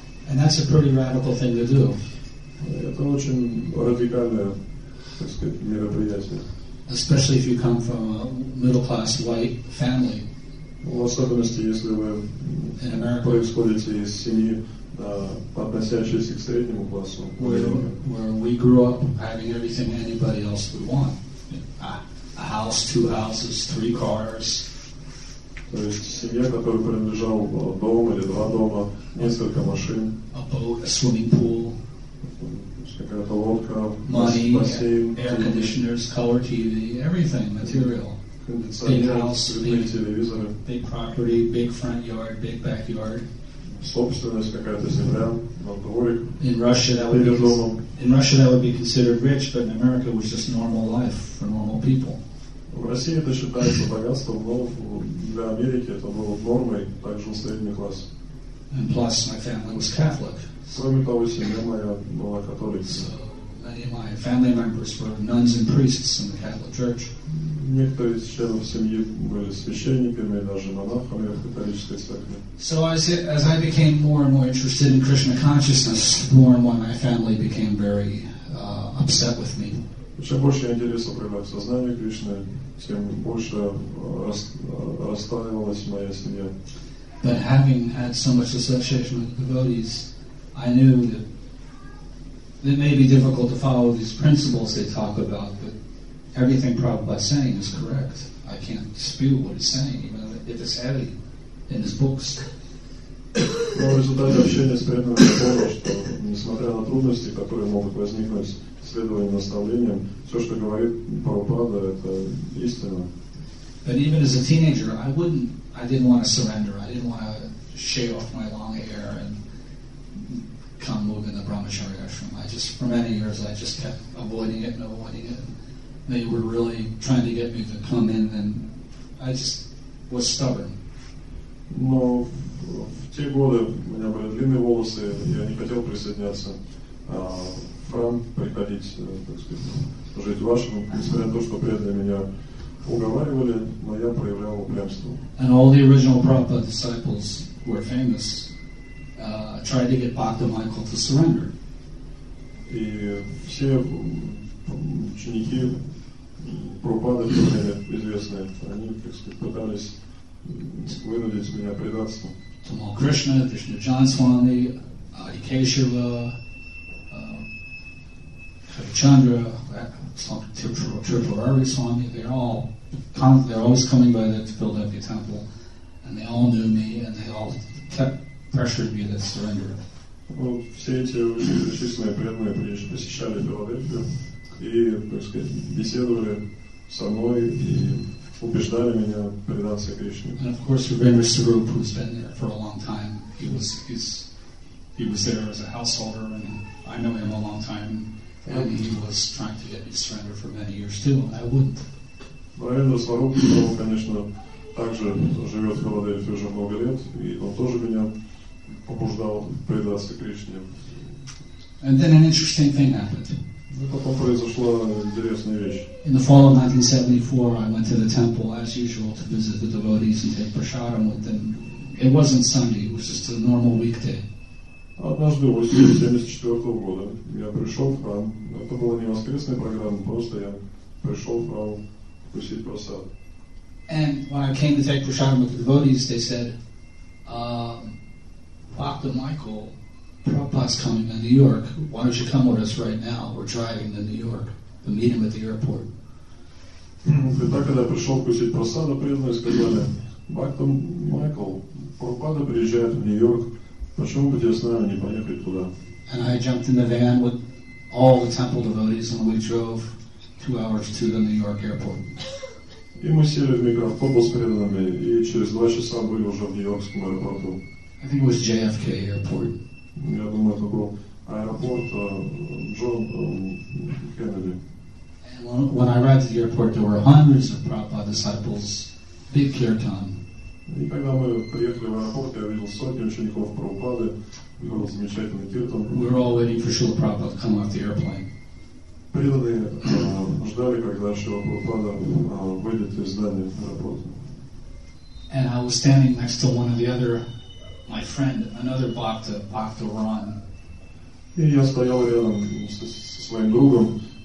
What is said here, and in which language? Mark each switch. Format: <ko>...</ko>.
<en>And that's a pretty radical thing to do.</en> <ru>Это очень радикальное, так сказать, мероприятие.</ru> <en>Especially if you come from a middle-class white family.</en> <ru>В особенности, если вы происходите из семьи, относящейся к среднему классу.</ru> <en>Where we grew up having everything anybody else would want. A house, two houses, three cars.</en> <ru>То есть семья, которой принадлежал дом или два дома, несколько машин.</ru> <en>A boat, a swimming pool.</en> <ru>Какая-то лодка, бассейн.</ru> <en>Air conditioners, color TV, everything, material.</en> <ru>Кондиционер,</ru> <en>big property, big front yard, big backyard.</en> <ru>Собственность, какая-то земля, дворик.</ru> <en>In Russia that would be considered rich, but in America it was just normal life for normal people.</en> <ru>В России это считается богатством, но для Америки это было нормой, также средний класс.</ru> <en>And plus, my family was Catholic.</en> <ru>Кроме того, семья моя была католицей.</ru> <en>So, many of my family members were nuns and priests in the Catholic Church.</en> <ru>Некоторые из членов семьи были священниками, даже монахами в католической церкви.</ru> <en>So, as I became more and more interested in Krishna consciousness, more and more my family became very upset with me.</en> <ru>Чем больше я интереса привлек к сознанию Кришны, тем больше расстраивалась моя семья.</ru> <en>But having had so much association with devotees, I knew that it may be difficult to follow these principles they talk about, but everything Prabhupada is saying is correct. I can't dispute what he's saying, even if it's heavy in his books.</en> <ru>Но в результате общения с преданными понял, что несмотря на трудности, которые могут возникнуть следование наставлениям, все, что говорит Прабхупада, это истина.</ru> <en>But even as a teenager, I didn't want to surrender. I didn't want to shave off my long hair and come live in the Brahmacharya ashram. For many years, I just kept avoiding it and avoiding it. They were really trying to get me to come in, and I just was stubborn.</en> <ru>Но в те годы у меня были длинные волосы, я не хотел присоединяться в храм, приходить, так сказать, жить в вашем, несмотря на то, что преданные меня уговаривали, но я проявлял упрямство.</ru> <en>And all the original Prabhupada disciples were famous, tried to get Bhakta Michael to surrender.</en> <ru>И все ученики Прабхупады, которые известны, они, так сказать, пытались вынудить меня предаться.</ru> <en>Tamal Krishna, Vishnu Janaswami, Adi Keshava, Harichandra, Tirtharari Swami, they're always coming by there to build up the temple, and they all knew me, and they all kept pressuring me to surrender.</en> <ru>Все эти многочисленные преданные посещали Филадельфию и, так сказать, беседовали со мной и убеждали меня предаться Кришне.</ru> <en>And of course, Ravendra Sarup, who's been there for a long time, he was there as a householder, and I know him a long time, and he was trying to get me to surrender for many years too, and I wouldn't.</en> <ru>Ravendra Sarup, он, конечно, также живет в Филадельфии уже много лет, и он тоже меня побуждал предаться Кришне.</ru> <en>And then an interesting thing happened.</en> <ru>Потом произошла интересная вещь.</ru> <en>In the fall of 1974, I went to the temple as usual to visit the devotees and take prasadam with them. It wasn't Sunday; it was just a normal weekday.</en> <ru>Однажды в 1974 года я пришел в храм. Это была не воскресная программа, просто я пришел в храм вкусить просад.</ru> <en>And when I came to take prasadam with the devotees, they said, "Bhakta Michael, Prabhupada's coming to New York. Why don't you come with us right now? We're driving to New York to meet him at the airport."</en> <ru>И так, когда пришел кусить просаду, преданные сказали, Бхакта Майкл, Прабхупада приезжает в Нью-Йорк, почему бы тебе с нами не поехать туда?</ru> <en>And I jumped in the van with all the temple devotees and we drove 2 hours to the New York airport.</en> <ru>И мы сели в микроавтобус с преданными и через 2 часа были уже в Нью-Йоркском аэропорту.</ru> <en>I think it was JFK airport.</en> <ru>Я думаю, это был аэропорт Джон Кеннеди.</ru> <en>When I arrived at the airport, there were hundreds of Prabhupada disciples, big kirtan.</en> <ru>И когда мы приехали в аэропорт, я видел сотни учеников Прабхупады, был замечательный киртан.</ru> <en>We were all waiting for Srila Prabhupada to come off the airplane.</en> <ru>Преданные ждали, когда Шрила Прабхупада выйдет из здания аэропорта.</ru> <en>And I was standing next to one of the other, my friend, another Bhakta, Bhakta Ron.</en> <ru>И я стоял рядом со своим другом.</ru>